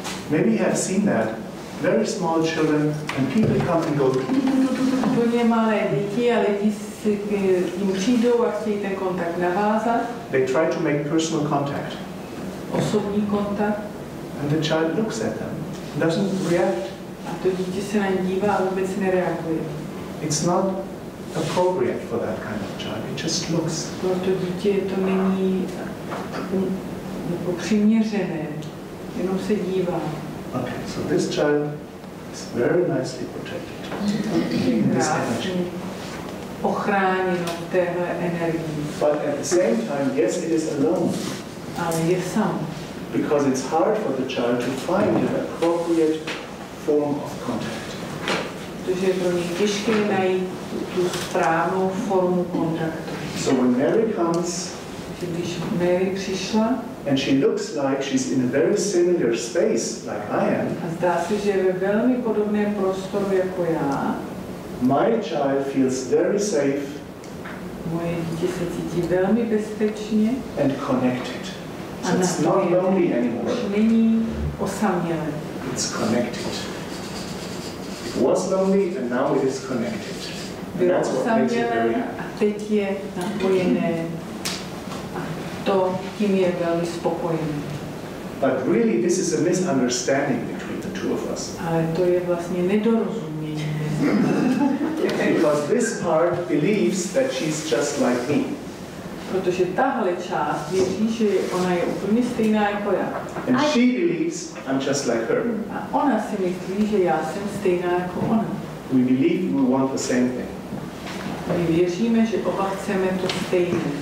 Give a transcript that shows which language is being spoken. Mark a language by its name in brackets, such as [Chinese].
[English] Maybe you have seen that. Very small children and people come and go. [Czech] Úplně malé děti a lidi si k ním přijdou a chtějí ten kontakt navázat. [English] They try to make personal contact. [Czech] Osobní kontakt. [English] And the child looks at them, doesn't react. [Czech] A to dítě se na ně dívá a vůbec nereaguje. [English] It's not appropriate for that kind of child. It just looks. [Czech] Pro to dítě to není jako přiměřené. Jenom se dívá. [English] Okay, so this child is very nicely protected. [Czech] Ochráněno v téhle energii. [English] But at the same time, yes, it is alone. [Czech] Ale je sám. [English] Because it's hard for the child to find an appropriate form of contact. [Czech] Protože je pro něj těžké najít tu správnou formu kontaktu. [English] So when Mary comes, [Czech] když Mary přišla, [English] and she looks like she's in a very similar space like I am. [Czech] A zdá se, že je velmi podobné prostoru jako já. [English] My child feels very safe. [Czech] Moje dítě se cítí velmi bezpečně. [English] And connected. So it's not lonely anymore. [Czech] Není osamělé. [English] It's connected. It was lonely and now it is connected. [Czech] Bylo osamělé a teď je napojené. To tím je velmi spokojený. [English] But really this is a misunderstanding between the two of us. [Czech] Ale to je vlastně nedorozumění. [English] Because this part believes that she's just like me. [Czech] Protože tahle část věří, že ona je úplně stejná jako já. [English] And she believes I'm just like her. [Czech] A ona si myslí, že já jsem stejná jako ona. [English] We believe we want the same thing. [Czech] My věříme, že oba chceme to stejné.